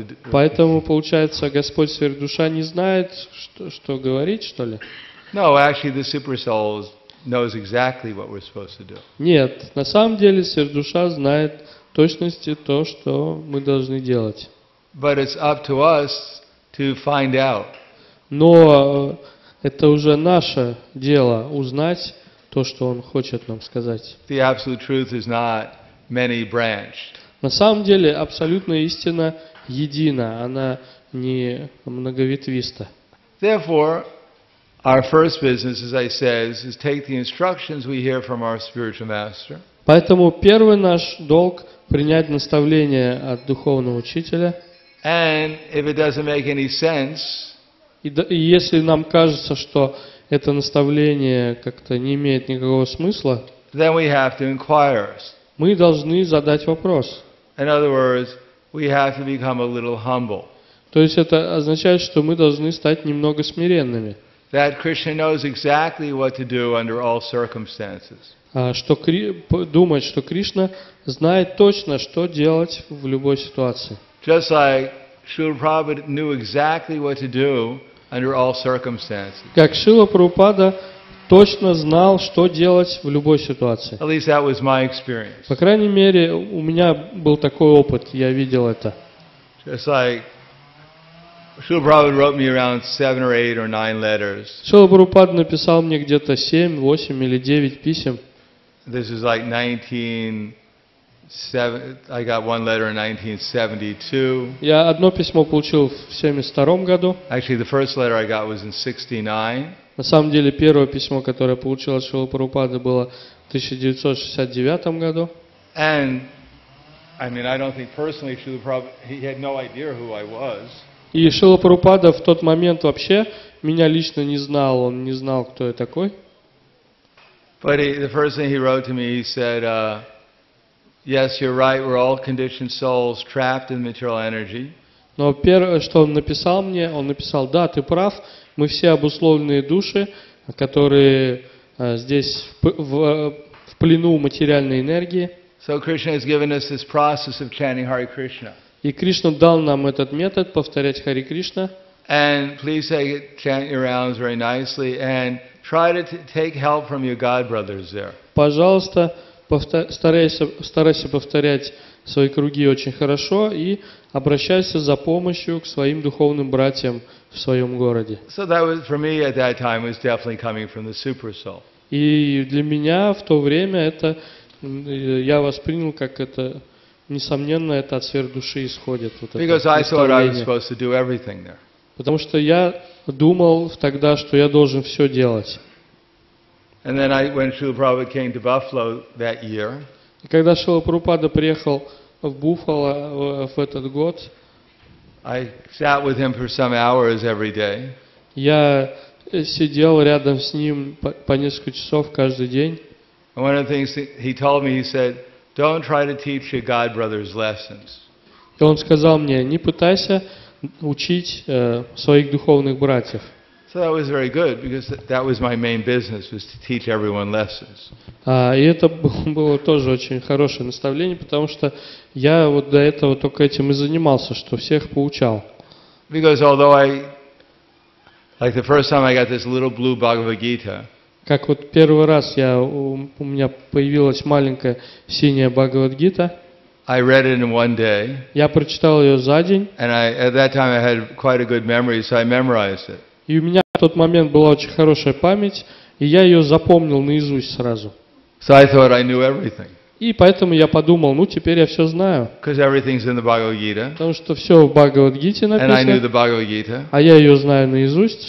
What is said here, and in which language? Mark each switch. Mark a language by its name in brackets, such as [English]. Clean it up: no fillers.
[Russian] Поэтому, получается, Господь сверхдуша не знает, что говорить, что ли? [English] Knows exactly what we're supposed to do. [Russian] Нет, на самом деле сердце-душа знает точности то, что мы должны делать. [English] But it's up to us to find out. [Russian] Но это уже наше дело узнать то, что он хочет нам сказать. [English] The absolute truth is not many-branched. [Russian] На самом деле абсолютная истина едина, она не многоветвиста. [English] Therefore, our first business, as I said, is take the instructions we hear from our spiritual master. [Russian] Поэтому первый наш долг принять наставление от духовного учителя. [English] And if it doesn't make any sense, [Russian] и если нам кажется, что это наставление как-то не имеет никакого смысла, [English] then we have to inquire. [Russian] Мы должны задать вопрос. [English] In other words, we have to become a little humble. [Russian] То есть это означает, что мы должны стать немного смиренными. [English] That Krishna knows exactly what to do under all circumstances. [Russian] Что думать, что Кришна знает точно, что делать в любой ситуации. [English] Just like Srila Prabhupada knew exactly what to do under all circumstances. [Russian] Как Шрила Прабхупада точно знал, что делать в любой ситуации. [English] At least that was my experience. [Russian] По крайней мере, у меня был такой опыт, я видел это. [English] Just like Srila Prabhupada wrote me around 7 or 8 or 9 letters. [Russian] Srila Prabhupada написал мне где-то 7, 8 или 9 писем. [English] This is like 1970. I got one letter in 1972. [Russian] Я одно письмо получил в 72 году. [English] Actually, the first letter I got was in 69. [Russian] На самом деле, первое письмо, которое получил от Шрила Прабхупады, было в 1969 году. [English] And I mean, I don't think personally Srila Prabhupada, he had no idea who I was. [Russian] И Шрила Прабхупада в тот момент вообще меня лично не знал, он не знал, кто я такой. [English] But the first thing he wrote to me, he said, "Yes, you're right. We're all conditioned souls trapped in material energy." [Russian] Но первое, что он написал мне, он написал: "Да, ты прав. Мы все обусловленные души, которые здесь в плену материальной энергии." [English] So Krishna has given us this process of chanting Hare Krishna. [Russian] И Кришна дал нам этот метод повторять Хари Кришна. [English] And please take it, chant your rounds very nicely, and try to take help from your God brothers there. [Russian] Пожалуйста, старайся повторять свои круги очень хорошо и обращайся за помощью к своим духовным братьям в своем городе. [English] So that was for me at that time was definitely coming from the super soul. [Russian] И для меня в то время это я воспринял как это. Несомненно, это от сверхдуши исходит. Вот [English] Because I thought I was supposed to do everything there. [Russian] Потому что я думал тогда, что я должен все делать. [English] And then when Srila Prabhupada came to Buffalo that year. [Russian] И когда Шрила Прабхупада приехал в Буффало в этот год. [English] I sat with him for some hours every day. [Russian] Я сидел рядом с ним по несколько часов каждый день. [English] And one of the things he told me, he said, "Don't try to teach your God brothers lessons." [Russian] И он сказал мне: "Не пытайся учить своих духовных братьев." [English] So that was very good because that was my main business was to teach everyone lessons. [Russian] И это было тоже очень хорошее наставление, потому что я вот до этого только этим и занимался, что всех поучал. [English] Because although I like the first time I got this little blue Bhagavad Gita. [Russian] Как вот первый раз я у меня появилась маленькая синяя Бхагавад Гита. [English] I read it in one day. [Russian] Я прочитал ее за день. [English] And I at that time I had quite a good memory, so I memorized it. [Russian] И у меня в тот момент была очень хорошая память, и я ее запомнил наизусть сразу. [English] So I thought I knew everything. [Russian] И поэтому я подумал, ну теперь я все знаю. [English] Because everything's in the Bhagavad Gita. [Russian] Потому что все в Бхагавад Гите написано. [English] And I knew the Bhagavad Gita. [Russian] А я ее знаю наизусть.